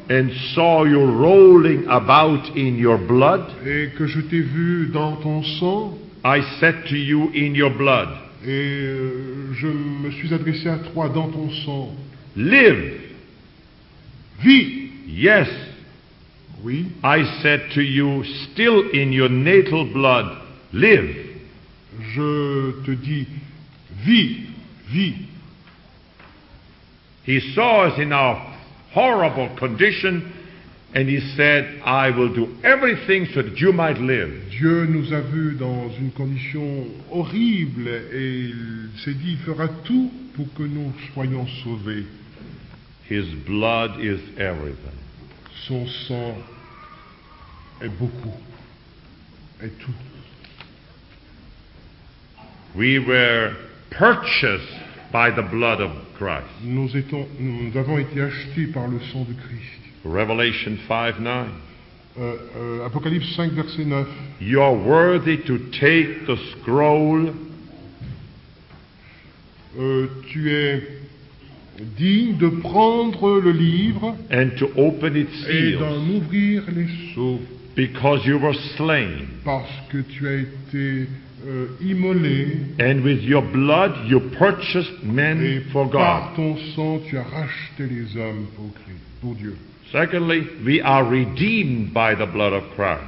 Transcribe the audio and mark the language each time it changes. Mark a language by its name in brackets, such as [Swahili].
[English] And saw you rolling about in your blood. [French] Et que je t'ai vu dans ton sang. [English] I said to you in your blood. [French] Et je me suis adressé à toi dans ton sang. [English] Live. [French] Vie. [English] Yes. [French] Oui. [English] I said to you, still in your natal blood, live. [French] Je te dis, vis, vis. [English] He saw us in our horrible condition, and he said, I will do everything so that you might live. [French] Dieu nous a vus dans une condition horrible, et il s'est dit, il fera tout pour que nous soyons sauvés. [English] His blood is everything. [French] Son sang est beaucoup, est tout. [English] We were purchased by the blood of Christ. [French] Nous avons été achetés par le sang de Christ. [English] Revelation 5:9. [French] Apocalypse 5, verset 9. [English] You are worthy to take the scroll. [French] Tu es digne de prendre le livre [English] and to open its seals, [French] et d'en ouvrir les sceaux. [English] Because you were slain. [French] Parce que tu as été immolé. [English] And with your blood you purchased men [French] et [English] for [French] par [English] God. [French] Par ton sang tu as racheté les hommes pour Christ, pour Dieu. [English] Secondly, we are redeemed by the blood of Christ.